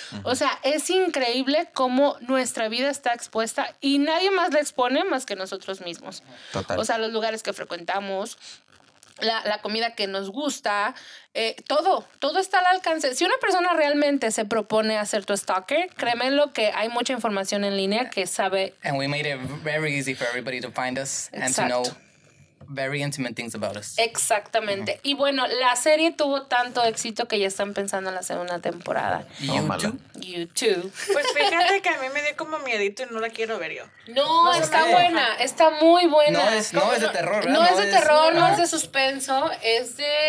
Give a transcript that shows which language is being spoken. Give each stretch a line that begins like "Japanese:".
Spanish: O sea, es increíble cómo nuestra vida está expuesta y nadie más la expone más que nosotros mismos. Total. O sea, los lugares que frecuentamos, la comida que nos gusta, todo está al alcance. Si una persona realmente se propone hacer tu stalker, créeme lo que hay mucha información en línea que sabe.
English: And we made it very easy for everybody to find us.
Spanish: Exacto.
English: And to know very intimate things about us.
Spanish: Exactamente. Mm-hmm. Y bueno, la serie tuvo tanto éxito que ya están pensando en la segunda temporada.
English: You too.
Spanish: Pues fíjate que a mí me dio como miedito y no la quiero ver yo. No, está buena. Está muy buena. No es de terror, ¿verdad? No es de terror, no es de suspenso. Es de...